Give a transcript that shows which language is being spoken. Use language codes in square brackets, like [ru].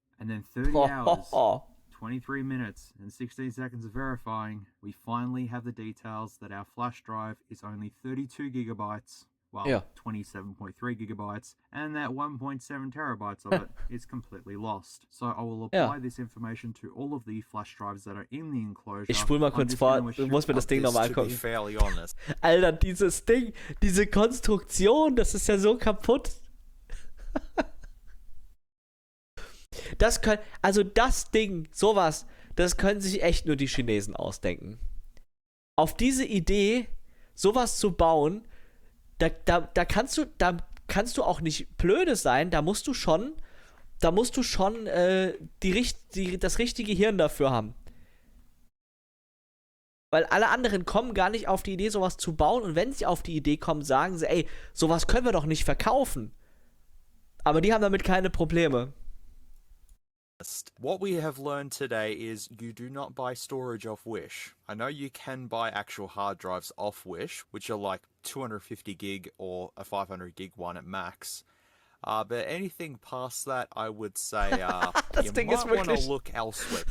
[en] And then 30 hours, 23 minutes, and 16 seconds of verifying, we finally have the details that our flash drive is only 32 gigabytes, well, yeah. 27.3 gigabytes, and that 1.7 terabytes of it is completely lost. So I will apply this information to all of the flash drives that are in the enclosure. [de] Ich spule mal kurz vor, muss mir das Ding nochmal gucken. Alter, dieses Ding, diese Konstruktion, das ist ja so kaputt. Das können, also das Ding, sowas, das können sich echt nur die Chinesen ausdenken. Auf diese Idee, sowas zu bauen, da kannst du auch nicht blöde sein, da musst du schon das richtige Hirn dafür haben. Weil alle anderen kommen gar nicht auf die Idee, sowas zu bauen, und wenn sie auf die Idee kommen, sagen sie, ey, sowas können wir doch nicht verkaufen. Aber die haben damit keine Probleme. [en] What we have learned today is you do not buy storage off Wish. I know you can buy actual hard drives off Wish, which are like 250 gig or a 500 gig one at max. But anything past that, I would say you might want to look elsewhere.